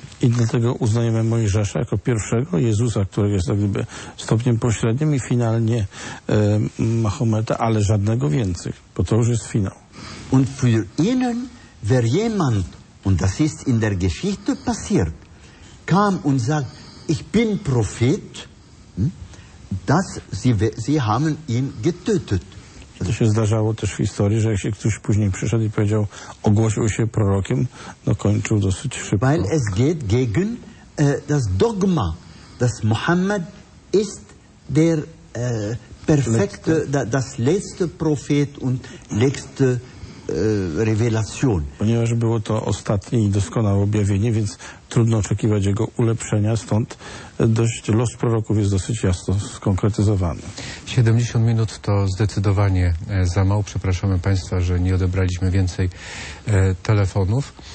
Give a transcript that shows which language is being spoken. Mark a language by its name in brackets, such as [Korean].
[Polish] I dlatego uznajemy Mojżesza jako pierwszego, Jezusa, który jest jak gdyby stopniem pośrednim i finalnie Mahometa, ale żadnego więcej, bo to już jest finał. [German] Und für ihnen, wer jemand, und das ist in der Geschichte passiert, kam und sagt, ich bin Prophet, dass sie haben ihn getötet. [Polish] To się zdarzało też w historii, że jak się ktoś później przyszedł i powiedział, ogłosił się prorokiem, no kończył dosyć szybko. [German] Weil es geht gegen das Dogma, dass Mohammed ist der perfekte, das letzte Prophet und letzte Revelation. [Polish] Ponieważ było to ostatnie i doskonałe objawienie, więc trudno oczekiwać jego ulepszenia, stąd dość los proroków jest dosyć jasno skonkretyzowany. 70 minut to zdecydowanie za mało. Przepraszamy Państwa, że nie odebraliśmy więcej telefonów.